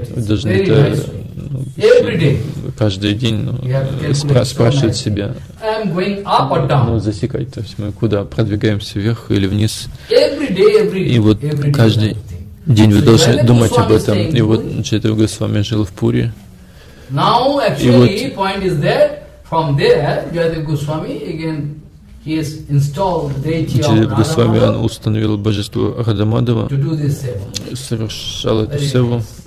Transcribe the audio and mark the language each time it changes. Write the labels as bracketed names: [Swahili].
[Russian] Вы должны это, ну, каждый день, ну, спрашивать себя. Ну, засекать, то есть мы куда, продвигаемся вверх или вниз. [English] Every day, [Russian] и вот каждый день вы должны думать об этом. И вот Чайтанья Госвами жил в Пуре. [English] Now, actually, [Russian] вот, [English] point is that from there, Jayadeva Goswami, again, he has installed the deity of Jayadeva [Russian] Goswami, он установил божество Радамадава, совершал эту севу.